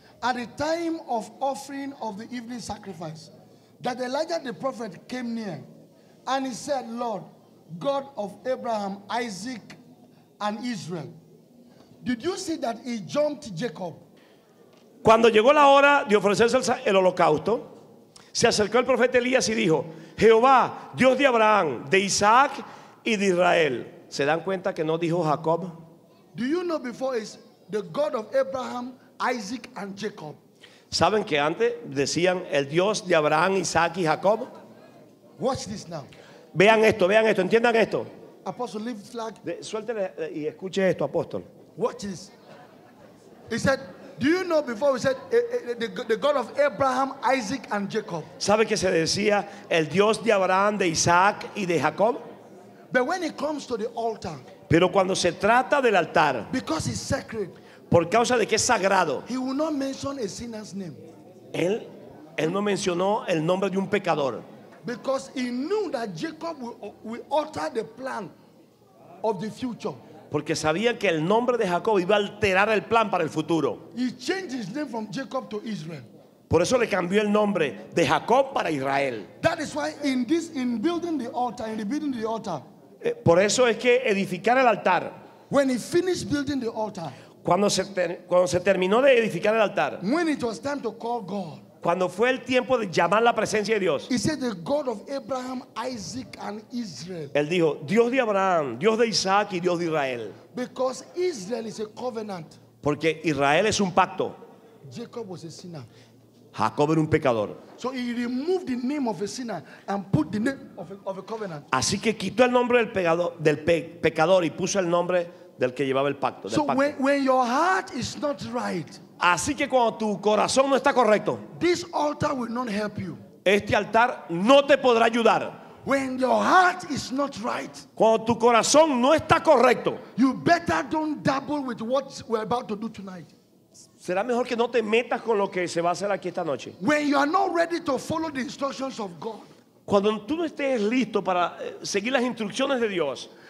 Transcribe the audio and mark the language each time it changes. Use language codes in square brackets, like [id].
[en] at the time of offering of the evening sacrifice, that Elijah the prophet came near, and he said, Lord, God of Abraham, Isaac, and Israel, did you see that he jumped Jacob? [es] Cuando llegó la hora de ofrecerse el holocausto, se acercó el profeta Elías y dijo, Jehová, Dios de Abraham, de Isaac y de Israel. ¿Se dan cuenta que no dijo Jacob? [en] Do you know before is the God of Abraham, Isaac and Jacob? [es] ¿Saben que antes decían el Dios de Abraham, Isaac y Jacob? [en] Watch this now. [es] Vean esto, entiendan esto. [en] Apostle, leave flag. [es] Suéltele y escuche esto, apóstol. [en] Watch this. He said, do you know before we said the God of Abraham, Isaac and Jacob? [es] ¿Sabe que se decía el Dios de Abraham, de Isaac y de Jacob? [en] But when it comes to the altar, [es] pero cuando se trata del altar, [en] because it's sacred, [es] por causa de que es sagrado, [en] he will not mention a sinner's name. [es] Él no mencionó el nombre de un pecador. [en] Because he knew that Jacob will alter the plan of the future. [es] Porque sabía que el nombre de Jacob iba a alterar el plan para el futuro. [en] He changed his name from Jacob to Israel. [es] Por eso le cambió el nombre de Jacob para Israel. [en] That is why in building the altar, in rebuilding the altar. [es] Por eso es que edificar el altar. [en] When he finished building the altar. [es] Cuando se terminó de edificar el altar. [en] When it was time to call God. [es] Cuando fue el tiempo de llamar la presencia de Dios. [en] He said the God of Abraham, Isaac and Israel. [es] Él dijo, Dios de Abraham, Dios de Isaac y Dios de Israel. [en] Because Israel is a covenant. [es] Porque Israel es un pacto. [en] Jacob was a sinner. [es] Jacob era un pecador. [en] So he removed the name of a sinner and put the name of a covenant. [es] Así que quitó el nombre del pecador y puso el nombre del que llevaba el pacto. [en] So when your heart is not right. [es] Así que cuando tu corazón no está correcto, [en] this altar will not help you. [es] Este altar no te podrá ayudar. [en] When your heart is not right. [es] Cuando tu corazón no está correcto, [en] you better don't dabble with what we're about to do tonight. [es] Será mejor que no te metas con lo que se va a hacer aquí esta noche. [en] When you are not ready to follow the instructions of God. [es] Cuando tú no estés listo para seguir las instrucciones de Dios.